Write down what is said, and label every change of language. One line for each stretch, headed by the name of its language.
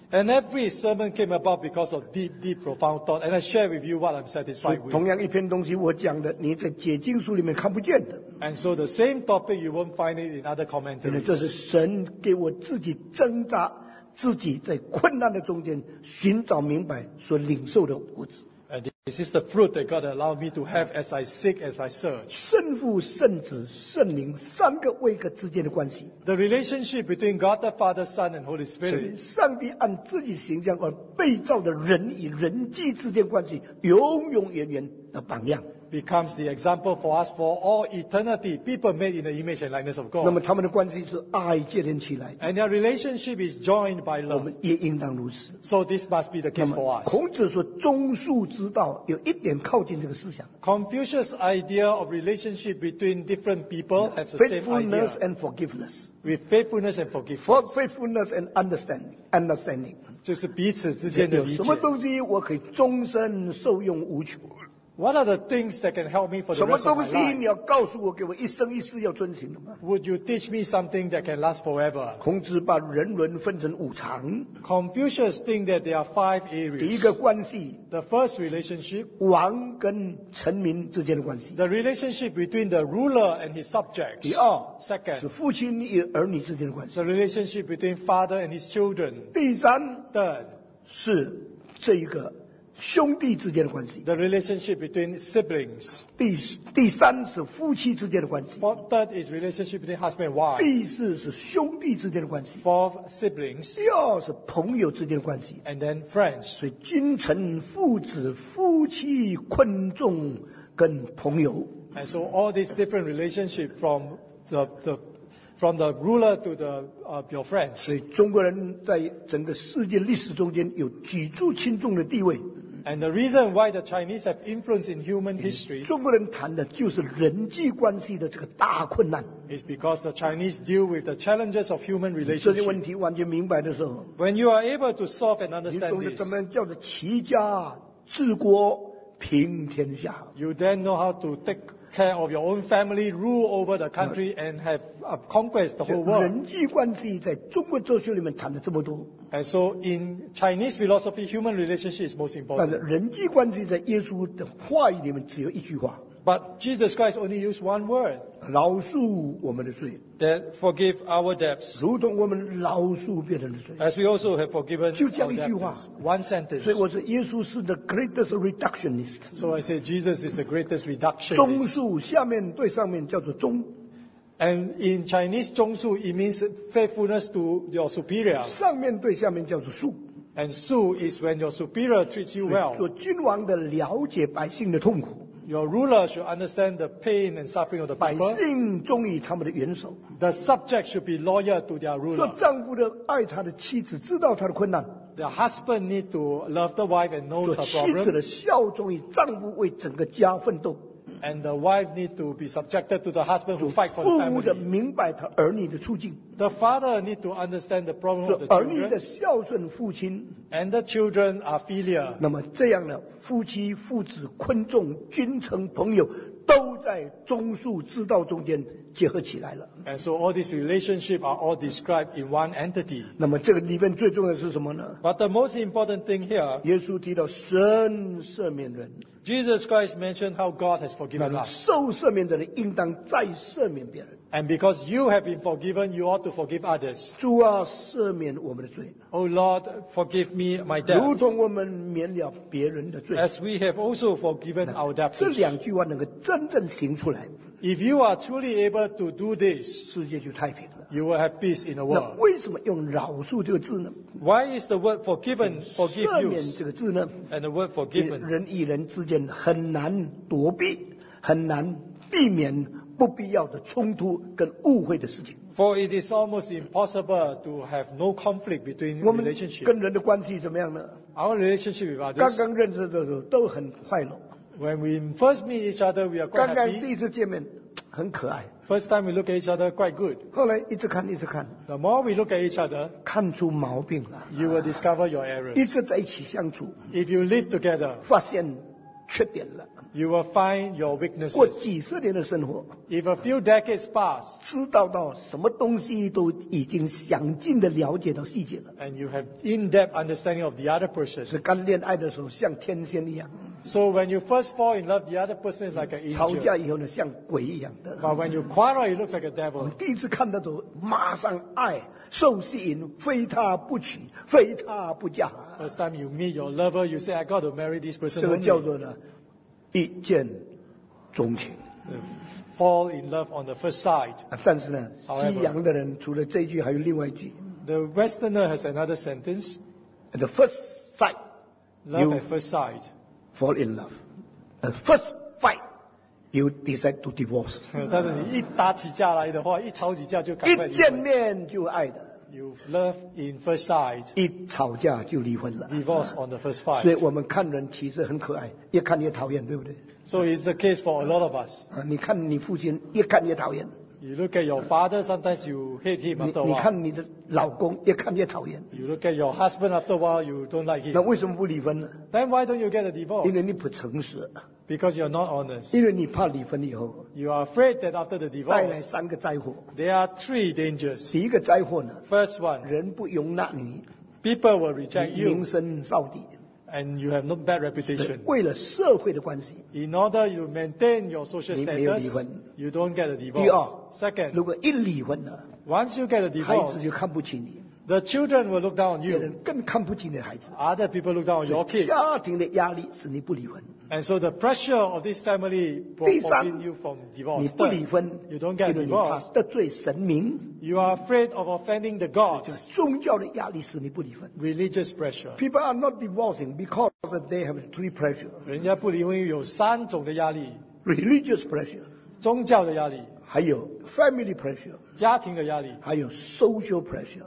English: And every sermon came about because of deep, deep, profound thought. And I share with you what I'm satisfied with.
Chinese: 同样一篇东西我讲的，你在解经书里面看不见的。
English: And so the same topic you won't find it in other commentaries.
Chinese: 这是神给我自己挣扎，自己在困难的中间寻找明白所领受的果子。
English: And this is the fruit that God allowed me to have as I seek, as I search.
Chinese: 圣父、圣子、圣灵三个位格之间的关系。
English: The relationship between God the Father, Son, and Holy Spirit.
Chinese: 上帝按自己形象而被造的人与人际之间关系，永永远远的榜样。
English: becomes the example for us for all eternity. People made in the image and likeness of God.
Chinese: 那么他们的关系是爱建立起来。
English: And their relationship is joined by love.
Chinese: 我们也应当如此。
English: So this must be the case for us.
Chinese: 孔子说忠恕之道有一点靠近这个思想。
English: Confucius' idea of relationship between different people has the same idea. Faithfulness and forgiveness. With faithfulness and forgiveness. Faithfulness and understanding.
Chinese: 就是彼此之间的理解。有什么东西我可以终身受用无穷？
English: What are the things that can help me for the rest of my life?
Chinese: 什么东西你要告诉我，给我一生一世要遵循的吗？
English: Would you teach me something that can last forever?
Chinese: 孔子把人伦分成五常。
English: Confucius think that there are five areas.
Chinese: 第一个关系。
English: The first relationship.
Chinese: 王跟臣民之间的关系。
English: The relationship between the ruler and his subjects.
Chinese: 第二。
English: Second.
Chinese: 是父亲与儿女之间的关系。
English: The relationship between father and his children.
Chinese: 第三。
English: Third.
Chinese: 是这一个。兄弟之间的关系。
English: The relationship between siblings.
Chinese: 第三是夫妻之间的关系。
English: Fourth, third is relationship between husband and wife.
Chinese: 第四是兄弟之间的关系。
English: Fourth, siblings.
Chinese: 第二是朋友之间的关系。
English: And then friends.
Chinese: 所以君臣、父子、夫妻、昆仲跟朋友。
English: And so all these different relationships from the ruler to the, your friends.
Chinese: 所以中国人在整个世界历史中间有举足轻重的地位。
English: And the reason why the Chinese have influence in human history,
Chinese: 中国人谈的就是人际关系的这个大困难。
English: Is because the Chinese deal with the challenges of human relationship.
Chinese: 这些问题完全明白的时候。
English: When you are able to solve and understand this,
Chinese: 你懂得怎么样叫做齐家治国平天下。
English: You then know how to take care of your own family, rule over the country, and have conquest the whole world.
Chinese: 人际关系在中国哲学里面谈的这么多。
English: And so in Chinese philosophy, human relationship is most important.
Chinese: 但是人际关系在耶稣的话语里面只有一句话。
English: But Jesus Christ only used one word.
Chinese: 饶恕我们的罪。
English: That forgive our debts.
Chinese: 如同我们饶恕别人的罪。
English: As we also have forgiven.
Chinese: 就这样一句话。
English: One sentence.
Chinese: 所以我说耶稣是
English: the greatest reductionist. So I say Jesus is the greatest reductionist.
Chinese: 忠恕下面对上面叫做忠。
English: And in Chinese,
Chinese: 忠恕
English: it means faithfulness to your superior.
Chinese: 上面对下面叫做恕。
English: And
Chinese: 恕
English: is when your superior treats you well.
Chinese: 做君王的了解百姓的痛苦。
English: Your ruler should understand the pain and suffering of the people.
Chinese: 百姓忠于他们的元首。
English: The subject should be loyal to their ruler.
Chinese: 做丈夫的爱他的妻子，知道他的困难。
English: The husband need to love the wife and know her problem.
Chinese: 做妻子的效忠于丈夫，为整个家奋斗。
English: And the wife need to be subjected to the husband who fight for the family.
Chinese: 父母的明白他儿女的处境。
English: The father need to understand the problem of the children.
Chinese: 儿女的孝顺父亲。
English: And the children are filial.
Chinese: 那么这样呢，夫妻、父子、昆仲、君臣、朋友都在忠恕之道中间结合起来了。
English: And so all these relationships are all described in one entity.
Chinese: 那么这个里面最重要的是什么呢？
English: But the most important thing here.
Chinese: 耶稣提到神赦免人。
English: Jesus Christ mentioned how God has forgiven us.
Chinese: 受赦免的人应当再赦免别人。
English: And because you have been forgiven, you ought to forgive others.
Chinese: 主啊，赦免我们的罪。
English: Oh Lord, forgive me my debts.
Chinese: 如同我们免了别人的罪。
English: As we have also forgiven our debts.
Chinese: 这两句话能够真正行出来。
English: If you are truly able to do this,
Chinese: 世界就太平了。
English: You will have peace in the world.
Chinese: 那为什么用饶恕这个字呢？
English: Why is the word forgiven, forgive you?
Chinese: 赦免这个字呢？
English: And the word forgiven.
Chinese: 人与人之间很难躲避，很难避免不必要的冲突跟误会的事情。
English: For it is almost impossible to have no conflict between relationship.
Chinese: 跟人的关系怎么样呢？
English: Our relationship with others.
Chinese: 刚刚认识的时候都很快乐。
English: When we first meet each other, we are quite happy.
Chinese: 刚刚第一次见面很可爱。
English: First time we look at each other, quite good.
Chinese: 后来一直看，一直看。
English: The more we look at each other,
Chinese: 看出毛病了。
English: You will discover your errors.
Chinese: 一直在一起相处。
English: If you live together,
Chinese: 发现缺点了。
English: You will find your weaknesses.
Chinese: 过几十年的生活。
English: If a few decades pass,
Chinese: 知道到什么东西都已经详尽的了解到细节了。
English: And you have in-depth understanding of the other person.
Chinese: 是刚恋爱的时候像天仙一样。
English: So when you first fall in love, the other person is like an angel.
Chinese: 吵架以后呢，像鬼一样的。
English: But when you quarrel, it looks like a devil.
Chinese: 第一次看到的时候，马上爱受吸引，非他不娶，非他不嫁。
English: First time you meet your lover, you say, "I got to marry this person."
Chinese: 这个叫做呢，一见钟情。
English: Fall in love on the first sight.
Chinese: 但是呢，西洋的人除了这句，还有另外一句。
English: The Westerner has another sentence. At the first sight, love at first sight. Fall in love. At first fight, you decide to divorce.
Chinese: 但是你一打起架来的话，一吵起架就赶快离婚。一见面就爱的。
English: You love in first sight.
Chinese: 一吵架就离婚了。
English: Divorce on the first fight.
Chinese: 所以我们看人其实很可爱，越看越讨厌，对不对？
English: So it's a case for a lot of us.
Chinese: 你看你父亲越看越讨厌。
English: You look at your father, sometimes you hate him after a while.
Chinese: 你看你的老公越看越讨厌。
English: You look at your husband after a while, you don't like him.
Chinese: 那为什么不离婚呢？
English: Then why don't you get a divorce?
Chinese: 因为你不诚实。
English: Because you're not honest.
Chinese: 因为你怕离婚以后。
English: You are afraid that after the divorce.
Chinese: 带来三个灾祸。
English: There are three dangers.
Chinese: 第一个灾祸呢？
English: First one.
Chinese: 人不容纳你。
English: People will reject you.
Chinese: 名声扫地。
English: And you have no bad reputation.
Chinese: 为了社会的关系。
English: In order you maintain your social status.
Chinese: 你没有离婚。
English: You don't get a divorce.
Chinese: 第二。
English: Second.
Chinese: 如果一离婚呢？
English: Once you get a divorce.
Chinese: 孩子就看不起你。
English: The children will look down on you.
Chinese: 别人更看不起你的孩子。
English: Other people look down on your kids.
Chinese: 家庭的压力使你不离婚。
English: And so the pressure of this family prohibit you from divorce.
Chinese: 你不离婚。
English: You don't get a divorce.
Chinese: 因为你怕得罪神明。
English: You are afraid of offending the gods.
Chinese: 就是宗教的压力使你不离婚。
English: Religious pressure. People are not divorcing because they have three pressures.
Chinese: 人家不离婚有三种的压力。
English: Religious pressure.
Chinese: 宗教的压力。还有
English: family pressure，
Chinese: 家庭的压力； 还有
English: social pressure，